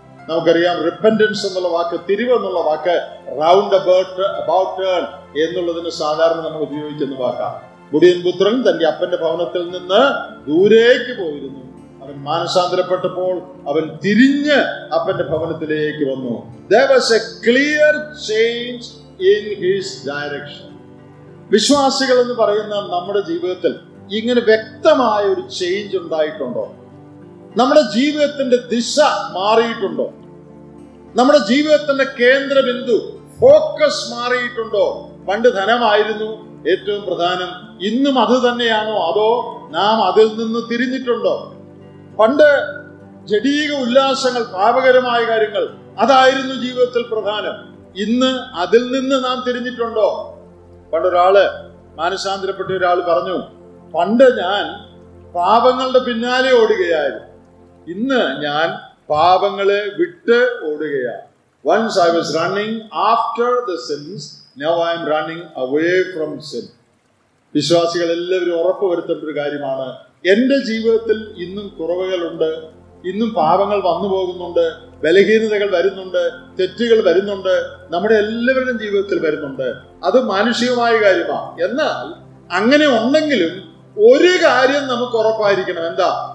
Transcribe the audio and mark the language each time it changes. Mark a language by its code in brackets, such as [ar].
[ml] നമുക്കറിയാം റിപ്പന്റൻസ് എന്നുള്ള വാക്ക്, തിരിവ് എന്നുള്ള വാക്ക് റൗണ്ട് അബൌട്ട് ടേൺ എന്നുള്ളതിന് സാധാരണ നമ്മൾ ഉപയോഗിക്കുന്ന വാക്കാണ്. കുടിയൻ പുത്രൻ തന്റെ അപ്പന്റെ ഭവനത്തിൽ നിന്ന് ദൂരേക്ക് പോയിരുന്നു, അവൻ മാനസാന്തരപ്പെട്ടപ്പോൾ അവൻ തിരിഞ്ഞ് അപ്പന്റെ ഭവനത്തിലേക്ക് വന്നു. [en] There was a clear change in his direction. [ml] വിശ്വാസികൾ എന്ന് പറയുന്ന നമ്മുടെ ജീവിതത്തിൽ ഇങ്ങനെ വ്യക്തമായ ഒരു ചേഞ്ച് ഉണ്ടായിട്ടുണ്ടോ? നമ്മുടെ ജീവിതത്തിന്റെ ദിശ മാറിയിട്ടുണ്ടോ? നമ്മുടെ ജീവിതത്തിന്റെ കേന്ദ്രബിന്ദു ഫോക്കസ് മാറിയിട്ടുണ്ടോ? പണ്ട് ധനമായിരുന്നു ഏറ്റവും പ്രധാനം, ഇന്നും അത് തന്നെയാണോ, അതോ നാം അതിൽ നിന്ന് തിരിഞ്ഞിട്ടുണ്ടോ? പണ്ട് ജടീക ഉല്ലാസങ്ങൾ, പാപകരമായ കാര്യങ്ങൾ, അതായിരുന്നു ജീവിതത്തിൽ പ്രധാനം, ഇന്ന് അതിൽ നിന്ന് നാം തിരിഞ്ഞിട്ടുണ്ടോ? പണ്ടൊരാള്, മാനസാന്തരപ്പെട്ട ഒരാള് പറഞ്ഞു, പണ്ട് ഞാൻ പാപങ്ങളുടെ പിന്നാലെ ഓടുകയായിരുന്നു, ഇന്ന് ഞാൻ പാപങ്ങളെ വിട്ട് ഓടുകയാണ്. [en] Once I was running after the sins, now I am running away from sin. [ml] വിശ്വാസികൾ എല്ലാവരും ഉറപ്പു വരുത്തേണ്ട ഒരു കാര്യമാണ്, എന്റെ ജീവിതത്തിൽ ഇന്നും കുറവുകളുണ്ട്, ഇന്നും പാപങ്ങൾ വന്നു പോകുന്നുണ്ട്, ബലഹീനതകൾ വരുന്നുണ്ട്, തെറ്റുകൾ വരുന്നുണ്ട്, നമ്മുടെ എല്ലാവരുടെയും ജീവിതത്തിൽ വരുന്നുണ്ട്. അത് മാനുഷികമായ കാര്യമാണ്. എന്നാൽ അങ്ങനെ ഉണ്ടെങ്കിലും ഒരു കാര്യം നമുക്ക് ഉറപ്പായിരിക്കണം, എന്താ?